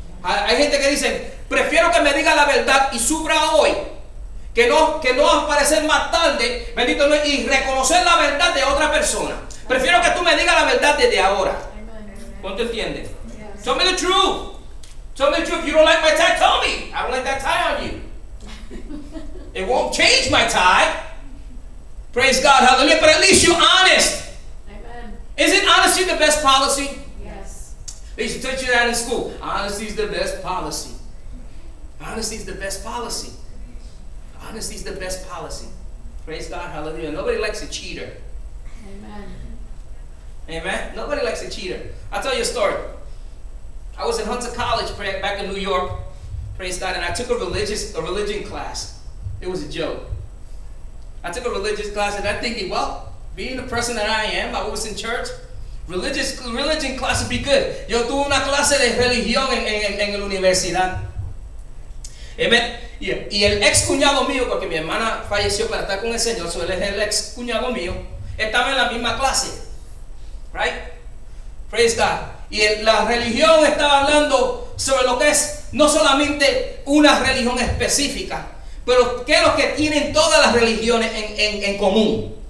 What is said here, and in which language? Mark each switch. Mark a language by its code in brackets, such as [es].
[es] Hay gente que dice: prefiero que me diga la verdad y sufra hoy, que no aparecer más tarde, bendito Dios, y reconocer la verdad de otra persona. Prefiero que tú me digas la verdad desde ahora. ¿Cuánto entiendes? [en] Yes. Tell me the truth. Tell me the truth. If you don't like my tie, tell me. I don't like that tie on you. It won't change my tie. Praise God. Hallelujah. But at least you're honest. Amen. Isn't honesty the best policy? Yes. They should teach you that in school. Honesty is the best policy. Honesty is the best policy. Honesty is the best policy. Praise God. Hallelujah. Nobody likes a cheater. Amen. Amen. Nobody likes a cheater. I'll tell you a story. I was at Hunter College back in New York. Praise God. And I took a religion class. It was a joke. I took a religious class, and I'm thinking, well, being the person that I am, I was in church, religion class would be good. [es] Yo tuve una clase de religión en la universidad. Amen. Y el ex cuñado mío, porque mi hermana falleció para estar con el Señor, so él es el ex cuñado mío, estaba en la misma clase. [en] Right? Praise God. [es] Y la religión estaba hablando sobre lo que es no solamente una religión específica, pero ¿qué es lo que tienen todas las religiones en común?